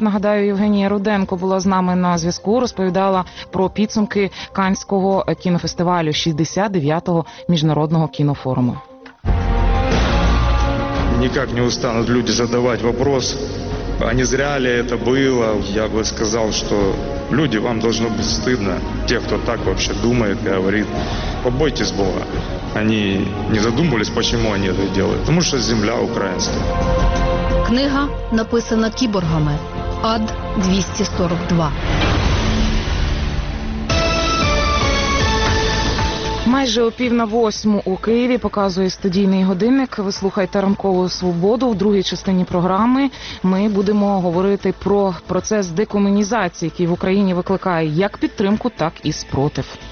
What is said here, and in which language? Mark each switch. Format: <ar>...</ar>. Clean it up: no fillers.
<uk>Нагадаю, Євгенія Руденко була з нами на зв'язку, розповідала про підсумки Каннського кінофестивалю 69-го міжнародного кінофоруму. Ніяк не устануть люди задавати вопрос, а не зря ли це було. Я би сказав, що люди, вам повинно бути стидно, ті, хто так взагалі думає, говорить,</uk> <ru>побойтесь Бога. Они не задумывались, почему они это делают. Потому что земля украинская.</ru> <uk>Книга написана кіборгами. Ад 242. Майже о пів на восьму у Києві показує студійний годинник. Ви слухаєте «Ранкову свободу». У другій частині програми ми будемо говорити про процес декомунізації, який в Україні викликає як підтримку, так і спротив.</uk>